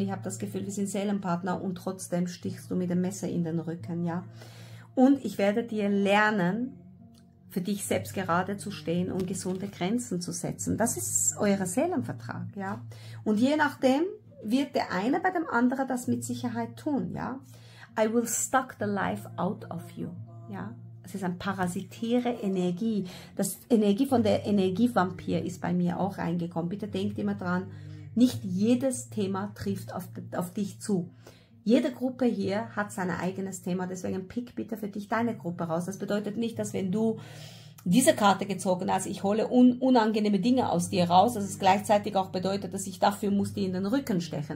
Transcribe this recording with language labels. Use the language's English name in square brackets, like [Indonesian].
[German] Ich habe das Gefühl, wir sind Seelenpartner und trotzdem stichst du mit dem Messer in den Rücken. Ja? Und ich werde dir lernen, für dich selbst gerade zu stehen und gesunde Grenzen zu setzen. Das ist euer Seelenvertrag. Ja? Und je nachdem wird der eine bei dem anderen das mit Sicherheit tun. Ja? [English] I will suck the life out of you. [German] Ja? Das ist eine parasitäre Energie. Das Energie von der Energievampir ist bei mir auch reingekommen. Bitte denkt immer dran, nicht jedes Thema trifft auf dich zu. Jede Gruppe hier hat sein eigenes Thema, deswegen pick bitte für dich deine Gruppe raus. Das bedeutet nicht, dass wenn du diese Karte gezogen hast, ich hole unangenehme Dinge aus dir raus, dass es gleichzeitig auch bedeutet, dass ich dafür muss dir in den Rücken stechen.